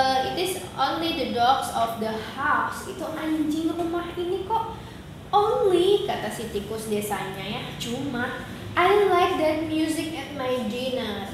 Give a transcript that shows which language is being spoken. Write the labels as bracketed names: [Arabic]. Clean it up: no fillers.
[English] It is only the dogs of the house. [Indonesian] Itu anjing rumah ini kok. Only, kata si tikus desanya ya. Cuma [English] I like that music at my dinner.